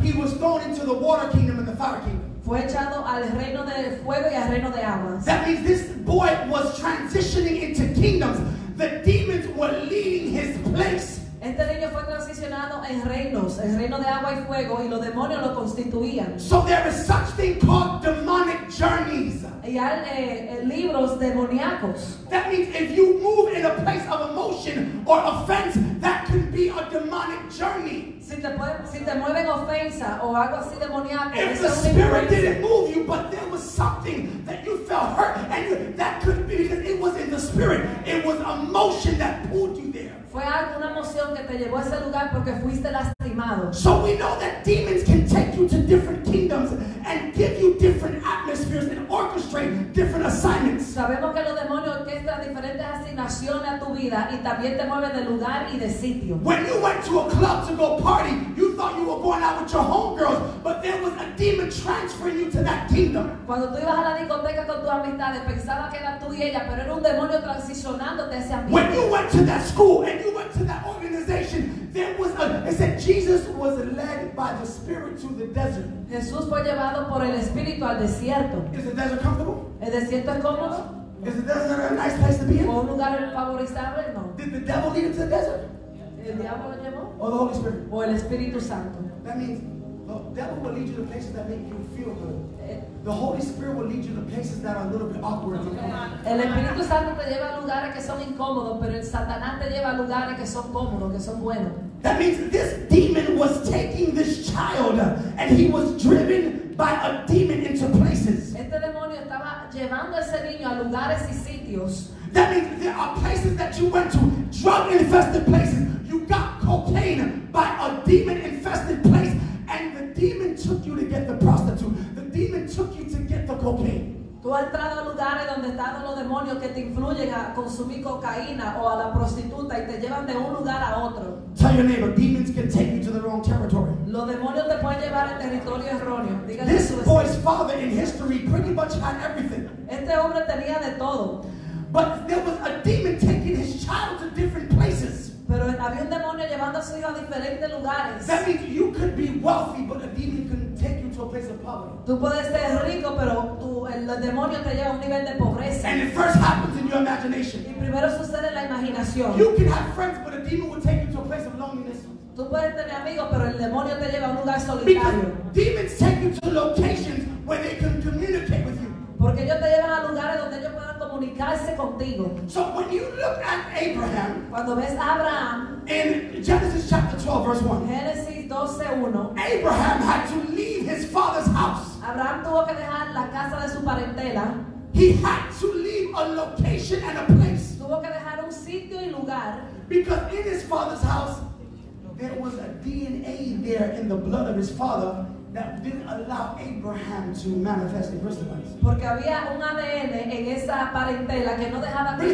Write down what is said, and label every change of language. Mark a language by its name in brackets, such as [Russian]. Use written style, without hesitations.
[English] he was thrown into the water kingdom and the fire kingdom. [Spanish] Fue echado al reino de fuego y al reino de agua. [English] That means this boy was transitioning into kingdoms. The demons were leading his place. [Spanish] Este niño fue transicionado en reinos, el reino de agua y fuego, y los demonios lo constituían. [English] So there is such thing called demonic journeys. [Spanish] Y hay libros demoníacos. [English] That means if you move in a place of emotion or offense, that can be a demonic journey. [Spanish] Si te mueven ofensa o algo así demoníaco, [English] if the spirit didn't move you, but there was something that you felt hurt, and that couldn't be because it was in the spirit. It was emotion that pulled you there. [Spanish] Fue alguna emoción que te llevó a ese lugar porque fuiste lastimado. [English] So we know that demons can take you to different kingdoms and give you different atmospheres and orchestrate different assignments. [Spanish] Sabemos que los demonios orquestan diferentes asignaciones a tu vida y también te mueven de lugar y de sitio. [English] When you went to a club to go party, you thought you were going out with your homegirls, but there was a demon transferring you to that kingdom. [Spanish] Cuando tú ibas a la discoteca con tus amistades, pensaba que era tú y ella, pero era un demonio transicionándote a ese ambiente. [English] When you went to that school and you went to that organization, there was it said Jesus was led by the Spirit to the desert. [Spanish] Jesús fue llevado por el Espíritu al desierto. [English] Is the desert comfortable? [Spanish] ¿El desierto es cómodo? [English] Is the desert a nice place to be in? [Spanish] ¿O un lugar favorable? No. [English] Did the devil lead him to the desert? [Spanish] ¿El diablo lo llevó? [English] Or the Holy Spirit? [Spanish] ¿O el Espíritu Santo? [English] That means the devil will lead you to places that make you feel good. The Holy Spirit will lead you to places that are a little bit awkward. [Spanish] El Espíritu Santo te lleva a lugares que son incómodos, pero el Satanás te lleva a lugares que son cómodos, que son buenos. [English] That means this demon was taking this child, and he was driven by a demon into places. [Spanish] Este demonio estaba llevando a ese niño a lugares y sitios. [English] That means there are places that you went to, drug-infested places. You got cocaine by a demon-infested place, and the demon took you to get the prostitute. Demon took you to get the cocaine. [Spanish] Tú has entrado a lugares donde están los demonios que te influyen a consumir cocaína o a la prostituta y te llevan de un lugar a otro. [English] Tell your neighbor, demons can take you to the wrong territory. [Spanish] Los demonios te pueden llevar al territorio erróneo. [English] This boy's father in history pretty much had everything. [Spanish] Este hombre tenía de todo. [English] But there was a demon taking his child to different places. [Spanish] Pero había un demonio llevando a su hijo a diferentes lugares. [English] That means you could be wealthy, but a demon can take you to a place of poverty. [Spanish] Tú puedes ser rico, pero el demonio te lleva a un nivel de pobreza. [English] And it first happens in your imagination. [Spanish] Y primero sucede en la imaginación. [English] You can have friends, but a demon will take you to a place of loneliness. [Spanish] Tú puedes tener amigos, pero el demonio te lleva a un lugar solitario. [English] Because demons take you to locations where they can communicate with you. [Spanish] Porque ellos te llevan a lugares donde ellos puedan comunicarse contigo. [English] So when you look at Abraham, [Spanish] cuando ves a Abraham, [English] in Genesis chapter 12, verse 1, [Spanish] Génesis 12:1, [English] Abraham had to leave his father's house. [Spanish] Abraham tuvo que dejar la casa de su parentela. [English] He had to leave a location and a place. [Spanish] Tuvo que dejar un sitio y lugar. [English] Because in his father's house, there was a DNA there in the blood of his father that didn't allow Abraham to manifest in first place. [Spanish] Porque había un ADN en esa parentela que no dejaba que